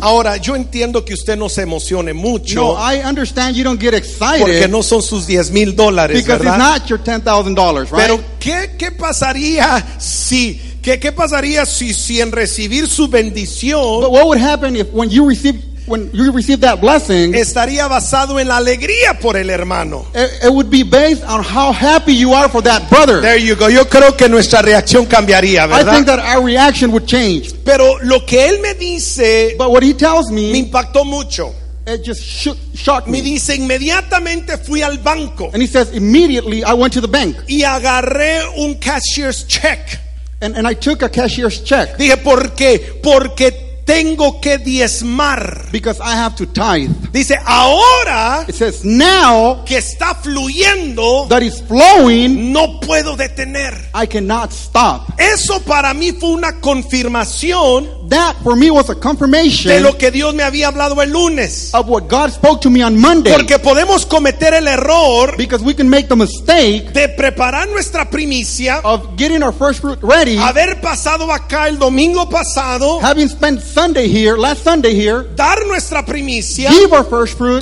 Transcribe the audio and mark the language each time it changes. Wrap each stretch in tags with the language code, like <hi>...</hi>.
<es>Ahora, yo entiendo que usted no se emocione mucho.</es> <en>No, I understand you don't get excited.</en> <es>Porque no son sus $10,000,</es> <en>because</en> <es>¿verdad?</es> <en>Because it's not your $10,000, right?</en> <es>Pero, ¿qué pasaría si en recibir su bendición,</es> <en>but what would happen if when you receive that blessing,</en> <es>estaría basado en la alegría por el hermano.</es> <en>It would be based on how happy you are for that brother. There you go.</en> <es>Yo creo que nuestra reacción cambiaría, ¿verdad?</es> <en>I think that our reaction would change.</en> <es>Pero lo que él me dice,</es> <en>but what he tells me,</en> <es>me impactó mucho.</es> <en>It just shocked me.</en> <es>Me dice, inmediatamente fui al banco.</es> <en>And he says, immediately I went to the bank.</en> <es>Y agarré un cashier's check.</es> <en>And I took a cashier's check.</en> <es>Dije, ¿por qué? Porque tengo que diezmar.</es> <en>Because I have to tithe.</en> <es>Dice, ahora,</es> <en>it says, now,</en> <es>que está fluyendo,</es> <en>that is flowing,</en> <es>no puedo detener.</es> <en>I cannot stop.</en> <es>Eso para mí fue una confirmación.</es> <en>That for me was a confirmation,</en> <es>de lo que Dios me había hablado el lunes,</es> <en>of what God spoke to me on Monday.</en> <es>Porque podemos cometer el error,</es> <en>because we can make the mistake,</en> <es>de preparar nuestra primicia,</es> <en>of getting our first fruit ready,</en> <es>haber pasado acá el domingo pasado,</es> <en>having spent Sunday here, last Sunday here,</en> <es>dar nuestra primicia,</es> <en>give our first fruit,</en>